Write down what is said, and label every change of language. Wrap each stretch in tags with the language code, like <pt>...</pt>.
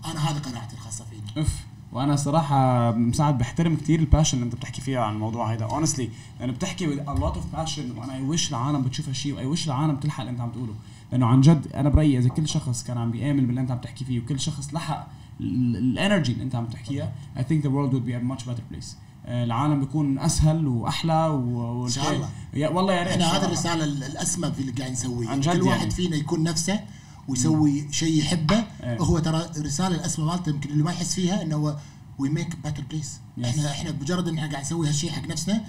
<ar>أنا هذا قناعتي الخاصة فيني. أوف. وأنا صراحة مساعد بحترم كتير الباشن اللي أنت بتحكي فيها عن الموضوع هيدا honestly، لأنه بتحكي</ar> <en>with a lot of passion</en> <ar>وأنا يوش العالم بتشوف هالشي ويوش العالم تلحق اللي أنت عم تقوله، لأنه عن جد أنا برأيي إذا كل شخص كان عم بيأمل باللي أنت عم تحكي فيه وكل شخص لحق الانرجي اللي انت عم تحكيها</ar> <en>I think the world would be a much better place.</en> <ar>العالم بيكون اسهل واحلى ان شاء الله. يا والله يا ريت احنا هذه الرساله الاسمى في اللي قاعد نسويه كل يعني. واحد فينا يكون نفسه ويسوي شيء يحبه ايه. هو ترى الرساله الاسمى مالته يمكن اللي ما يحس فيها انه هو</ar> <en>we make better place.</en> <ar>يس. احنا بمجرد ان احنا قاعد نسوي هالشيء حق نفسنا</ar>